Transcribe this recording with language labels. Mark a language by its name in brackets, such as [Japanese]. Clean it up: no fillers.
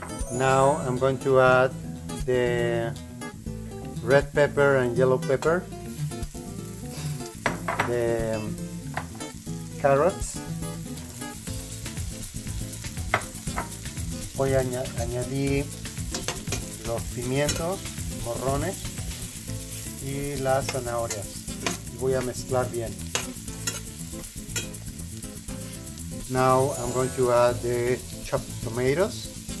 [English] Now I'm going to add the red pepper and yellow pepper, the carrots. [Spanish] Voy a añadir los pimientos morrones y las zanahorias. Voy a mezclar bien. [English] Now I'm going to add the chopped tomatoes.